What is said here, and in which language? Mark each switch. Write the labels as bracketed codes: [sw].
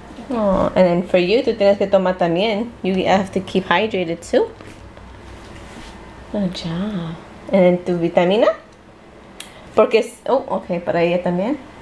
[en] Oh, and then for you, [es] tú tienes que tomar también. [en] You have to keep hydrated too. Good job. And then [es] tu vitamina? Porque es, oh, okay, para ella también.